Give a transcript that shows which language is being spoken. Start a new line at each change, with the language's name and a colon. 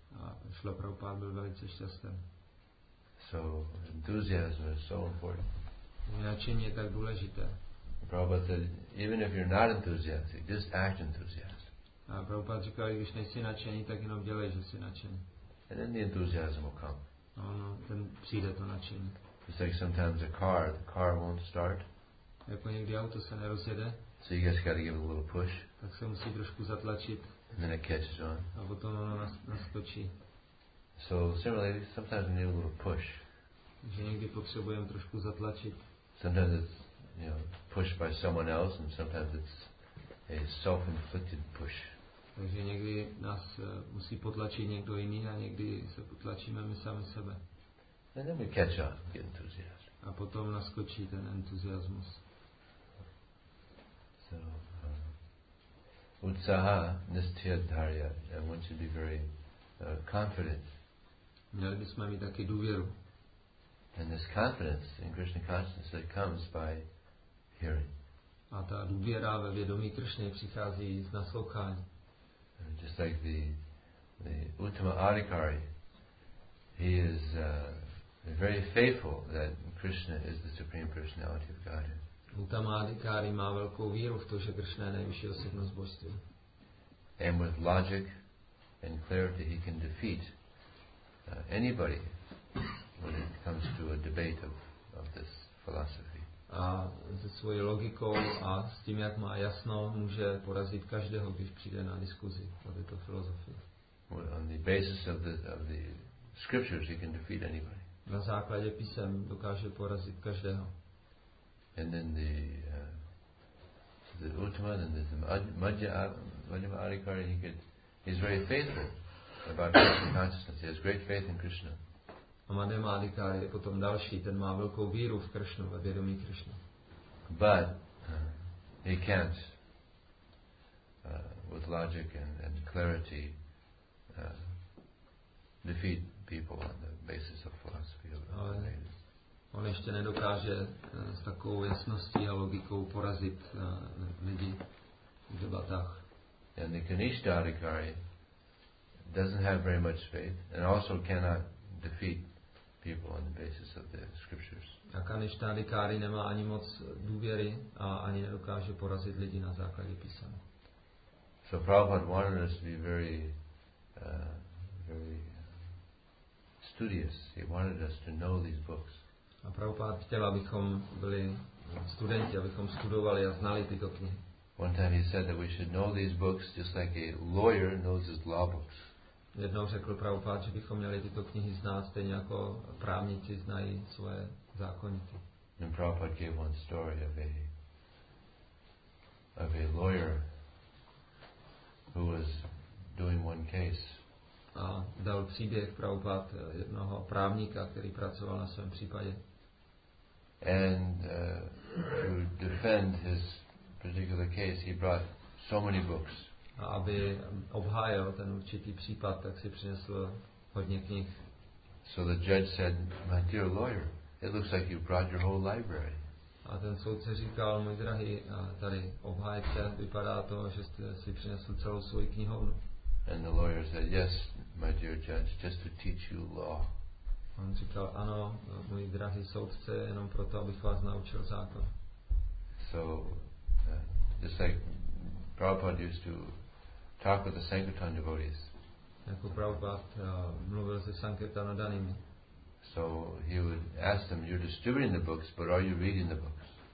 Czech: A Srila Prabhupada byl velice šťastný.
English: So enthusiasm is so important.
Czech: Nadšení je tak důležité.
English: Prabhupada said, even if you're not enthusiastic, just act enthusiastic.
Czech: A Prabhupada říkal, když nejsi nadšený, tak jenom dělej, že jsi nadšený.
English: And then the enthusiasm will come.
Czech: Ono, ten přijde to nadšení.
English: It's like sometimes the car won't start.
Czech: Jako někdy auto se nerozjede.
English: So you just got to give it a little push.
Czech: Tak se musí trošku zatlačit.
English: And then it catches on.
Czech: A potom ono naskočí.
English: So similarly, sometimes we need a little push.
Czech: Že někdy potřebujeme trošku zatlačit.
English: Sometimes it's, you know, pushed by someone else, and sometimes it's a self-inflicted push.
Czech: Takže někdy nás musí potlačit někdo jiný a někdy se potlačíme my sami sebe.
English: And then we catch on, get enthusiastic.
Czech: A potom naskočí ten entuziasmus.
English: So, utsaha nishtya dharya, and one should be very confident.
Czech: Měli bychom mít taky důvěru.
English: And this confidence in Krishna consciousness that comes by hearing.
Czech: A ta důvěra ve vědomí Krishny přichází z naslouchání.
English: Just like the Uttama Adhikari, he is very faithful that Krishna is the Supreme Personality of Godhead.
Czech: Uttama Adhikari má velkou víru v to, že Krishna je nejvyšší osobnost božství.
English: And with logic and clarity, he can defeat anybody when it comes to a debate of this philosophy.
Czech: A se svojí logikou a s tím, jak má jasno, může porazit každého, když přijde na diskuzi o této filozofii.
English: On the basis of the scriptures, he can defeat anybody.
Czech: Na základě písem dokáže porazit každého.
English: And then the Uttama, and then the Madhya Adhikari, he's very faithful about Krishna consciousness. He has great faith in Krishna.
Czech: A Madhya Adhikari je potom další, ten má velkou víru v Krishnu, ve vědomí Krishna.
English: But he can't with logic and clarity defeat people on the basis of philosophy of Vedas.
Czech: On ještě nedokáže s takovou jasností a logikou porazit lidi v debatách.
English: And the Kanishtha Adhikari doesn't have very much faith and also cannot defeat people on the basis of the scriptures.
Czech: A Kanishtha Adhikari nemá ani moc důvěry a ani nedokáže porazit lidi na základě písma.
English: So Prabhupada wanted us to be very very studious. He wanted us to know these books.
Czech: A Prabhupada chtěl, abychom byli studenti, abychom studovali a znali tyto knihy.
English: One time he said that we should know these books just like a lawyer knows his law books.
Czech: Jednou řekl Prabhupada, že bychom měli tyto knihy znát stejně jako právníci znají svoje zákonity.
English: And Prabhupada gave one story of a lawyer who was doing one case.
Czech: A dal příběh Prabhupad jednoho právníka, který pracoval na svém případě.
English: And to defend his particular case, he brought so many books.
Czech: A aby obhájil ten určitý případ, tak si přinesl hodně knih.
English: So the judge said, my dear lawyer, it looks like you brought your whole library.
Czech: A ten soudce říkal, můj drahý, tady obhájce, vypadá to, že jste si přinesl celou svou knihovnu.
English: And the lawyer said, yes, my dear judge, just to teach you law.
Czech: On říkal, ano, můj drahý soudce, jenom proto, abych vás naučil zákon.
English: So, just like Prabhupada used to talk with the Sankirtan devotees.
Czech: Jako Prabhupada mluvil se Sankirtanadanými.
English: So he would ask them, you're distributing the books, but are you reading the books?